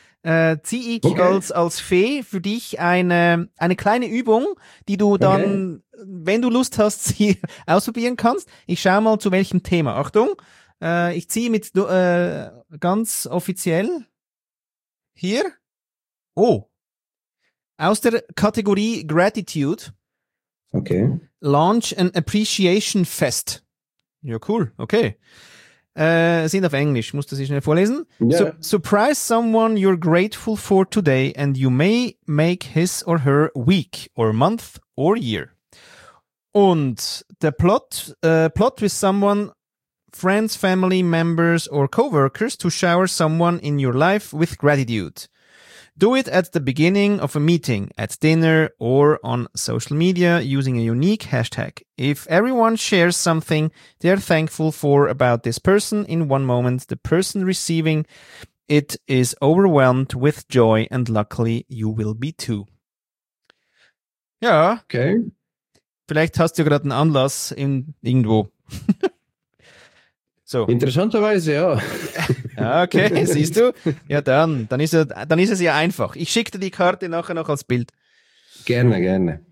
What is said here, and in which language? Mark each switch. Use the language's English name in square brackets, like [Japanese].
[German] Ziehe ich okay. als Fee für dich eine kleine Übung, die du dann, wenn du Lust hast, hier ausprobieren kannst. Ich schau mal, zu welchem Thema. Achtung, ich ziehe mit ganz offiziell hier. Oh, aus der Kategorie Gratitude. Okay. [English] Launch an Appreciation Fest. [German] Ja, cool. Okay. Sind auf Englisch. Musst du sie schnell vorlesen? [English] Yeah. So, surprise someone you're grateful for today and you may make his or her week or month or year. Und der Plot with someone, friends, family, members or coworkers to shower someone in your life with gratitude. Do it at the beginning of a meeting, at dinner or on social media using a unique hashtag. If everyone shares something they're thankful for about this person in one moment, the person receiving it is overwhelmed with joy and luckily you will be too. [German] Ja. Okay. Vielleicht hast du gerade einen Anlass in irgendwo. So. Interessanterweise, ja. Okay, siehst du? Ja, dann ist es ja einfach. Ich schicke dir die Karte nachher noch als Bild. Gerne, gerne.